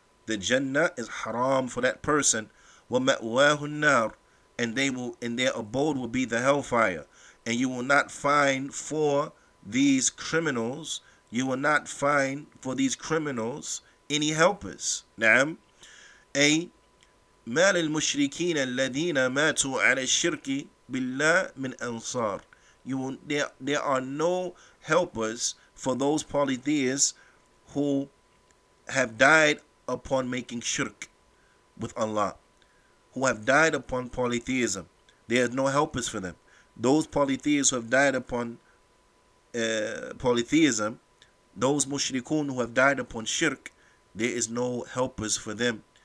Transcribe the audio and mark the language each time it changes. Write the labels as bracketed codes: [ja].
[en] The Jannah is haram for that person. [ar] وَمَأْوَاهُ النَّارُ, [en] and they will, and their abode will be the hellfire. And you will not find for these criminals, you will not find for these criminals any helpers. Naam. A. [ar] ما للمشركين الذين ماتوا على الشرك بالله من أنصار. [en] There are no helpers for those polytheists who have died upon making shirk with Allah, who have died upon polytheism. There are no helpers for them. Those polytheists who have died upon polytheism, those mushrikun who have died upon shirk, there is no helpers for them.